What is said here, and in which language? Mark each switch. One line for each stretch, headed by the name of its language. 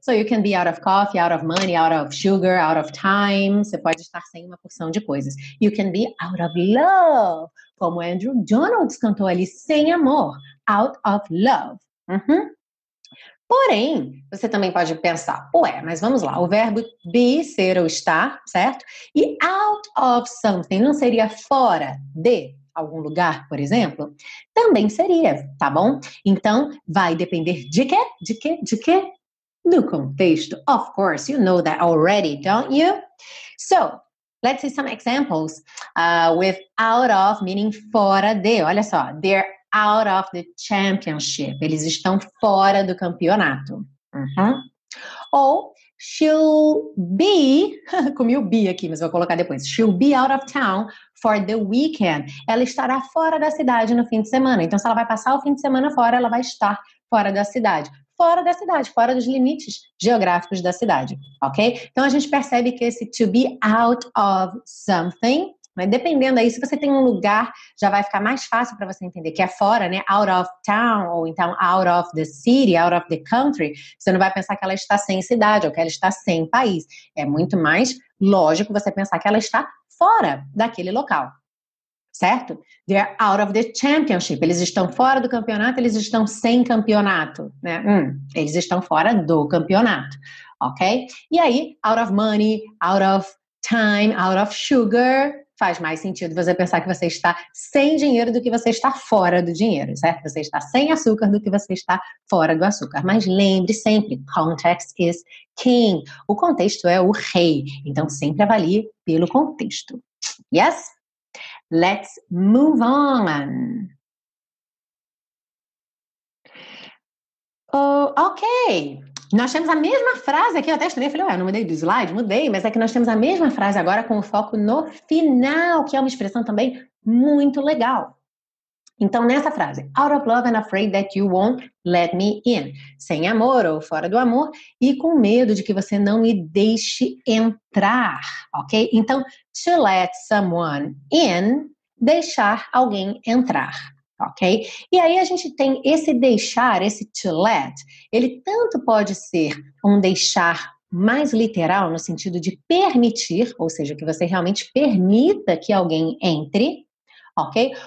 English: So, you can be out of coffee, out of money, out of sugar, out of time.
Portuguese: Você pode estar sem uma porção de coisas.
English: You can be out of love,
Portuguese: como Andrew Donalds cantou ali, sem amor.
English: Out of love.
Portuguese: Uhum. Porém, você também pode pensar, ué, mas vamos lá, o verbo be, ser ou estar, certo? E
English: out of something
Portuguese: não seria fora de algum lugar, por exemplo? Também seria, tá bom? Então, vai depender de quê? De quê? De quê? Do contexto.
English: Of course, you know that already, don't you? So, let's see some examples with out of meaning
Portuguese: fora de. Olha só,
English: they're out of the championship.
Portuguese: Eles estão fora do campeonato. Uhum. Ou,
English: she'll be...
Portuguese: comi o be aqui, mas vou colocar depois.
English: She'll be out of town for the weekend.
Portuguese: Ela estará fora da cidade no fim de semana. Então, se ela vai passar o fim de semana fora, ela vai estar fora da cidade. Fora da cidade, fora dos limites geográficos da cidade. Ok? Então, a gente percebe que esse
English: to be out of something...
Portuguese: Mas dependendo aí, se você tem um lugar, já vai ficar mais fácil para você entender que é fora, né?
English: Out of town,
Portuguese: ou então
English: out of the city, out of the country.
Portuguese: Você não vai pensar que ela está sem cidade, ou que ela está sem país. É muito mais lógico você pensar que ela está fora daquele local. Certo?
English: They're out of the championship.
Portuguese: Eles estão fora do campeonato, eles estão sem campeonato, né? Eles estão fora do campeonato, ok? E aí,
English: out of money, out of time, out of sugar...
Portuguese: Faz mais sentido você pensar que você está sem dinheiro do que você está fora do dinheiro, certo? Você está sem açúcar do que você está fora do açúcar. Mas lembre sempre,
English: context is king.
Portuguese: O contexto é o rei. Então, sempre avalie pelo contexto. Yes?
English: Let's move on.
Portuguese: Oh, ok. Nós temos a mesma frase aqui, eu até estranhei, falei, ué, não mudei do slide, mudei, mas é que nós temos a mesma frase agora com o foco no final, que é uma expressão também muito legal. Então, nessa frase,
English: out of love and afraid that you won't let me in.
Portuguese: Sem amor ou fora do amor e com medo de que você não me deixe entrar, ok? Então,
English: to let someone in,
Portuguese: deixar alguém entrar. Ok? E aí a gente tem esse deixar, esse to let, ele tanto pode ser um deixar mais literal no sentido de permitir, ou seja, que você realmente permita que alguém entre, ok?